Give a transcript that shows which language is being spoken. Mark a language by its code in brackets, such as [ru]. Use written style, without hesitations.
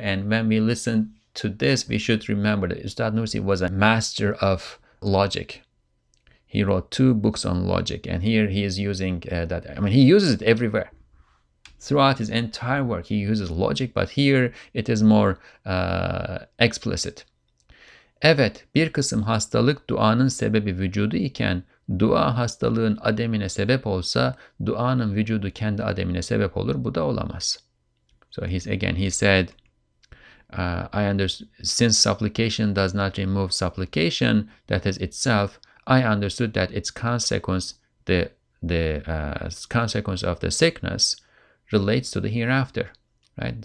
[en] And when we listen to this, we should remember that Ustad Nursi was a master of logic. He wrote two books on logic. And here he is using that. I mean, he uses it everywhere. Throughout his entire work, he uses logic, but here it is more explicit. [tr] Evet, bir kısım hastalık duanın sebebi vücudu iken, dua hastalığın ademine sebep olsa, duanın vücudu kendi ademine sebep olur, bu da olamaz. [en] So he said, I understood, since supplication does not remove supplication, that is itself, I understood that its consequence, the consequence of the sickness, relates to the hereafter. Right?